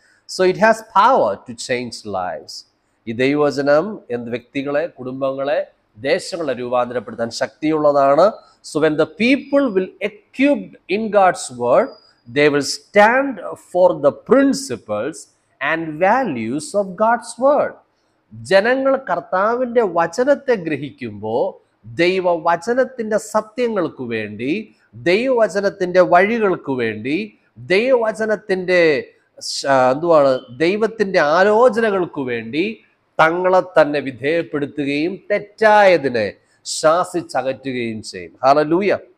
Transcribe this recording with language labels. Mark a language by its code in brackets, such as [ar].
[en] So it has power to change lives. [ml] ഇദൈവജനം എന്ത് വ്യക്തികളെ, കുടുംബങ്ങളെ, ദേശങ്ങളെ രൂപാന്തരപ്പെടുത്താൻ ശക്തിയുള്ളതാണ്. [en] So when the people will equipped in God's word, they will stand for the principles and values of God's word. [ml] ജനങ്ങൾ കർത്താവിൻ്റെ വചനത്തെ ഗ്രഹിക്കുമ്പോൾ ദൈവവചനത്തിൻ്റെ സത്യങ്ങൾക്ക് വേണ്ടി, ദൈവവചനത്തിൻ്റെ വഴികൾക്ക് വേണ്ടി, ദൈവവചനത്തിൻ്റെ എന്തുവാണ് ദൈവത്തിൻ്റെ ആലോചനകൾക്ക് വേണ്ടി തങ്ങളെ തന്നെ വിധേയപ്പെടുത്തുകയും തെറ്റായതിനെ ശാസിച്ചകറ്റുകയും ചെയ്യും. ഹല്ലേലൂയ.